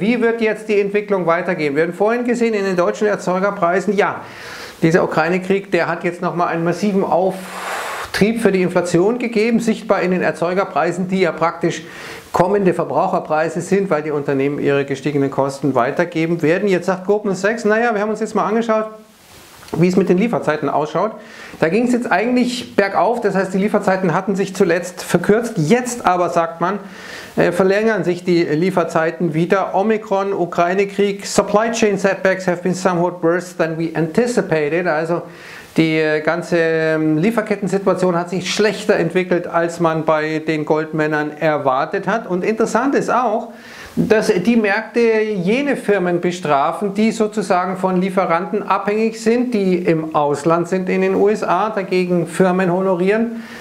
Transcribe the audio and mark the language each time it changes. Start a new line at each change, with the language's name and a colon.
German: Wie wird jetzt die Entwicklung weitergehen? Wir haben vorhin gesehen, in den deutschen Erzeugerpreisen, ja, dieser Ukraine-Krieg, der hat jetzt nochmal einen massiven Auftrieb für die Inflation gegeben, sichtbar in den Erzeugerpreisen, die ja praktisch kommende Verbraucherpreise sind, weil die Unternehmen ihre gestiegenen Kosten weitergeben werden. Jetzt sagt Goldman Sachs, naja, wir haben uns jetzt mal angeschaut, wie es mit den Lieferzeiten ausschaut. Da ging es jetzt eigentlich bergauf, das heißt, die Lieferzeiten hatten sich zuletzt verkürzt. Jetzt aber, sagt man, verlängern sich die Lieferzeiten wieder. Omikron, Ukraine-Krieg,
English: Supply Chain Setbacks have been somewhat worse than we anticipated.
German: Also die ganze Lieferkettensituation hat sich schlechter entwickelt, als man bei den Goldmännern erwartet hat. Und interessant ist auch, dass die Märkte jene Firmen bestrafen, die sozusagen von Lieferanten abhängig sind, die im Ausland sind in den USA, dagegen Firmen honorieren,